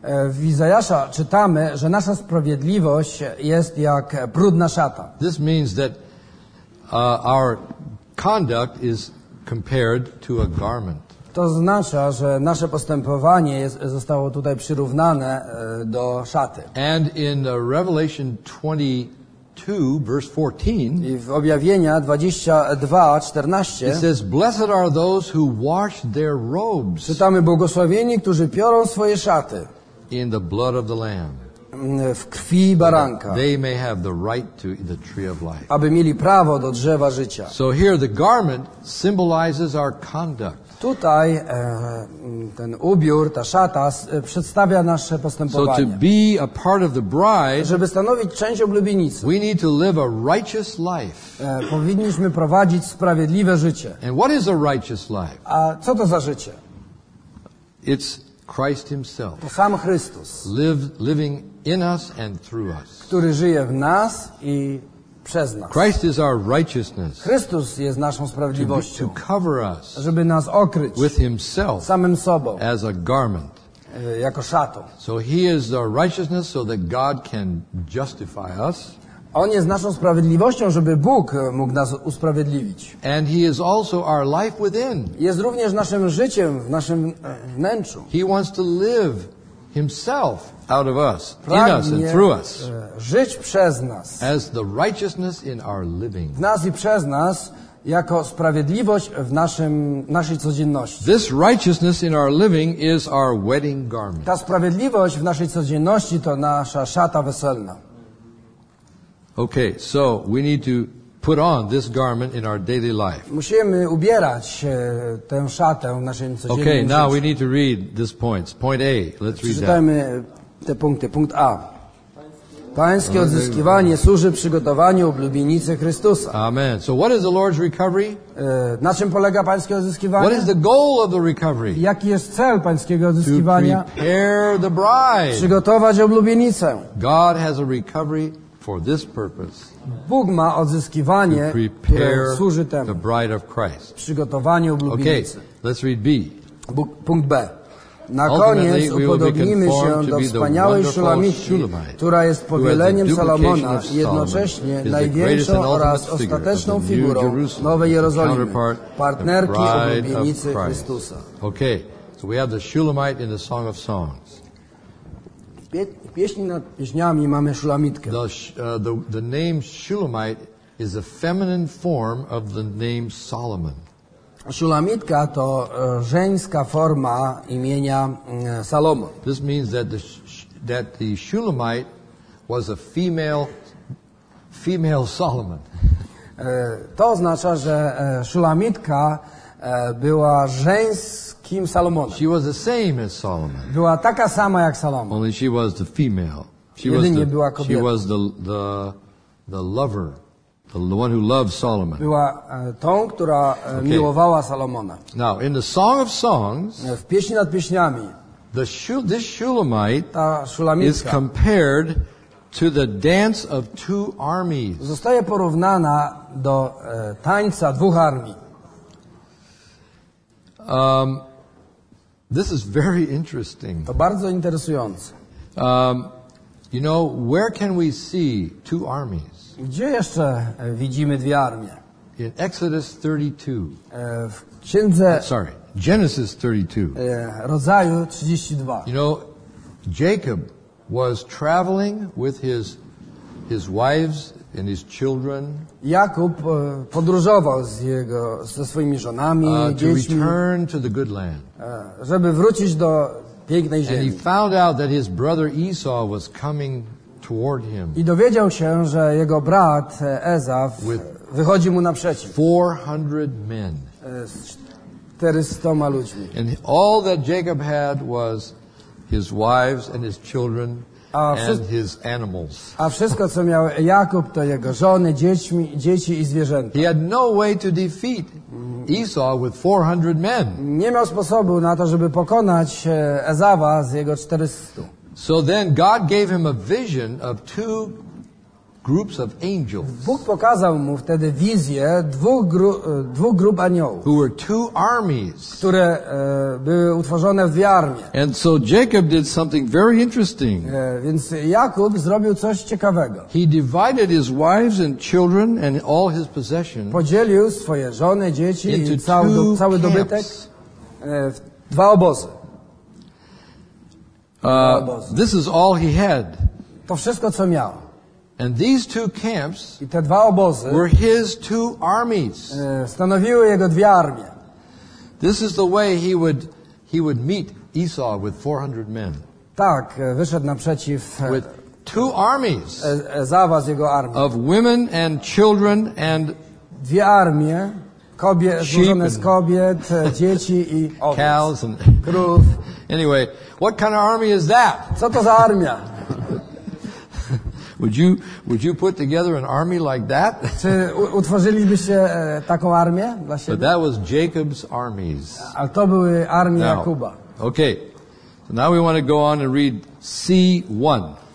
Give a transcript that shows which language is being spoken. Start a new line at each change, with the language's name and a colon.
Polish: W Izajasza czytamy, że nasza sprawiedliwość jest jak brudna szata.
English: This means that our conduct is compared to a garment.
Polish: To oznacza, że nasze postępowanie zostało tutaj przyrównane do szaty.
English: And in Revelation 22, verse 14,
Polish: i w Objawienia 22:14,
English: it says, "Blessed are those who wash their robes."
Polish: Czytamy, błogosławieni, którzy piorą swoje szaty.
English: In the blood of the Lamb.
Polish: W krwi baranka.
English: They may have the right to the tree of life.
Polish: Aby mieli prawo do drzewa życia.
English: So here the garment symbolizes our conduct.
Polish: Tutaj ten ubiór, ta szata przedstawia nasze postępowanie.
English: So to be a part of the bride,
Polish: żeby stanowić część oblubienicy,
English: we need to live a righteous life.
Polish: Powinniśmy prowadzić sprawiedliwe życie.
English: And what is a righteous life?
Polish: A co to za życie?
English: It's Christ himself.
Polish: To sam Chrystus.
English: Living in us and through us.
Polish: Który żyje w nas i przez nas.
English: Christ is our righteousness.
Polish: Chrystus jest naszą sprawiedliwością.
English: To cover us.
Polish: Żeby nas okryć.
English: With himself.
Polish: Samym sobą.
English: As a garment.
Polish: Jako szatą.
English: So he is our righteousness so that God can justify us.
Polish: On jest naszą sprawiedliwością, żeby Bóg mógł nas usprawiedliwić.
English: And he is also our life within.
Polish: Jest również naszym życiem w naszym wnętrzu.
English: He wants to live himself out of us, in us and through us.
Polish: Żyć przez nas.
English: As the righteousness in our living.
Polish: W nas i przez nas jako sprawiedliwość w naszej codzienności.
English: This righteousness in our living is our wedding garment.
Polish: Ta sprawiedliwość w naszej codzienności to nasza szata weselna.
English: Okay, so we need to put on this garment in our daily life.
Polish: Musimy ubierać tę szatę w naszym codziennym życiu.
English: Okay, now we need to read these points. Point A, let's read that.
Polish: Czytajmy te punkty. Punkt A. Pańskie odzyskiwanie służy przygotowaniu oblubienicy Chrystusa. Amen.
English: So what is the Lord's recovery?
Polish: Na czym polega pańskie odzyskiwanie?
English: What is the goal of the recovery?
Polish: Jaki jest cel pańskiego odzyskiwania?
English: To prepare the bride.
Polish: Przygotować oblubienicę.
English: God has a recovery for this purpose.
Polish: Bóg ma odzyskiwanie,
English: to prepare
Polish: które służy temu.
English: The bride of Christ.
Polish: Przygotowanie oblubienicy.
English: Okay, let's read B.
Polish: Punkt B. Na koniec upodobnimy się do wspaniałej Szulamitki, która jest powieleniem Salomona, jednocześnie największą oraz ostateczną figurą Nowej Jerozolimy, partnerki oblubienicy Chrystusa.
English: Okay, so we have the Shulamite in the Song of Songs.
Polish: W pieśni nad pieśniami mamy Szulamitkę.
English: The name Shulamite is a feminine form of the name Solomon.
Polish: Szulamitka to żeńska forma imienia Salomon.
English: This means that the Shulamite was a female Solomon.
Polish: To oznacza, że Szulamitka była żeńskim Salomonem.
English: She was the same as Solomon.
Polish: Była taka sama jak Salomon.
English: Only she was the female.
Polish: Była kobietą.
English: She was the lover, the one who loved Solomon.
Polish: Była tą, która miłowała Salomona.
English: Now, in the Song of Songs,
Polish: w pieśni nad pieśniami,
English: this Shulamite,
Polish: ta Szulamitka,
English: is compared to the dance of two armies.
Polish: Zostaje porównana do tańca dwóch armii.
English: This is very interesting.
Polish: To bardzo interesujące.
English: You know, where can we see two armies?
Polish: Gdzie jeszcze widzimy dwie armie?
English: In Exodus 32.
Polish: W księdze,
English: Genesis 32.
Polish: Rodzaju 32.
English: You know, Jacob was traveling with his wives and his children.
Polish: Jakub podróżował ze swoimi żonami, dziećmi,
English: return to the good land.
Polish: Żeby wrócić do pięknej ziemi.
English: And he found out that his brother Esau was coming toward him.
Polish: I dowiedział się, że jego brat Ezaw wychodzi mu naprzeciw.
English: 400 men.
Polish: Z 400 ludźmi.
English: And all that Jacob had was his wives and his children. And his animals.
Polish: A wszystko, co miał Jakub, to jego żony, dzieci i zwierzęta.
English: He had no way to defeat Esau with 400 men.
Polish: Nie miał sposobu na to, żeby pokonać Ezawa z jego 400.
English: So then God gave him a vision of two groups of angels.
Polish: Bóg pokazał mu wtedy wizję dwóch grup aniołów.
English: Who were two armies.
Polish: Które były utworzone w dwie armie.
English: And so Jacob did something very interesting.
Polish: Więc Jakub zrobił coś ciekawego.
English: He divided his wives and children and all his possessions.
Polish: Podzielił swoje żony, dzieci i cały dobytek w dwa obozy.
English: This is all he had.
Polish: To wszystko, co miał.
English: And these two camps
Polish: I te dwa obozy
English: were his two armies.
Polish: Stanowiły jego dwie armie.
English: This is the way he would meet Esau with 400 men.
Polish: Tak, wyszedł naprzeciw
English: with two armies
Polish: Ezawa z jego armii.
English: Of women and children and
Polish: dwie armie, złożone z kobiet, dzieci i owiec.
English: Cows and
Polish: krów.
English: Anyway, what kind of army is that?
Polish: Co to za armia?
English: Would you put together an army like that?
Polish: Czy utworzylibyście taką armię dla siebie?
English: But that was Jacob's armies.
Polish: A to były armie Jakuba.
English: Okay. So now we want to go on and read C1.